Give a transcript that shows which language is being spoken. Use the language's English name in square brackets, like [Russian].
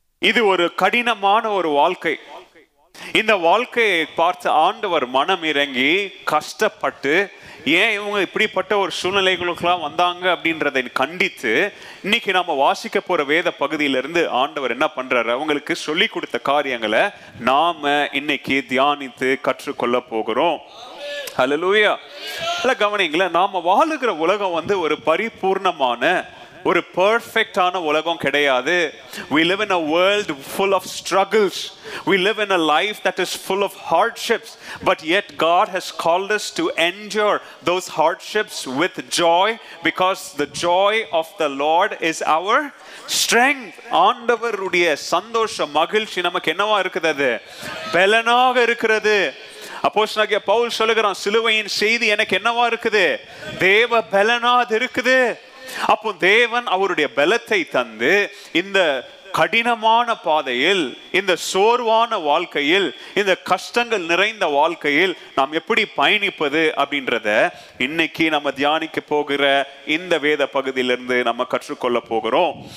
[Tamil] இது ஒரு கடினமான ஒரு வாழ்க்கை. இந்த வாழ்க்கையை பார்த்து ஆண்டவர் மனம் இறங்கி கஷ்டப்பட்டு ஏன் இவங்க இப்படிப்பட்ட ஒரு சூழ்நிலைகளுக்கெல்லாம் வந்தாங்க அப்படின்றதை கண்டித்து இன்னைக்கு நாம வாசிக்க போற வேத பகுதியிலிருந்து ஆண்டவர் என்ன பண்றாரு, அவங்களுக்கு சொல்லி கொடுத்த காரியங்களை நாம இன்னைக்கு தியானித்து கற்றுக்கொள்ள போகிறோம். ஹல்லேலூயா. கவனிங்களா, நாம வாழுகிற உலகம் வந்து ஒரு பரிபூர்ணமான ஒரு பெர்ஃபெக்டான உலகம் கிடையாது. [English] We live in a world full of struggles. We live in a life that is full of hardships. But yet God has called us to endure those hardships with joy because the joy of the Lord is our strength. [Tamil] ஆண்டவருடைய சந்தோஷம் மகிழ்ச்சி நமக்கு என்னவா இருக்குது, அது பலனாக இருக்கிறது. அப்போஸ்தலனாகிய பவுல் சொல்லுகிறான், சிலுவையின் செய்தி எனக்கு என்னவா இருக்குது, தேவ பலனாக இருக்குது. அப்போ தேவன் அவருடைய பலத்தை தந்து இந்த கடினமான பாதையில், இந்த சோர்வான வாழ்க்கையில், இந்த கஷ்டங்கள் நிறைந்த வாழ்க்கையில் நாம் எப்படி பயணிப்பது அப்படின்றத இன்னைக்கு நம்ம தியானிக்க போகிற இந்த வேத பகுதியிலிருந்து நம்ம கற்றுக்கொள்ள போகிறோம்.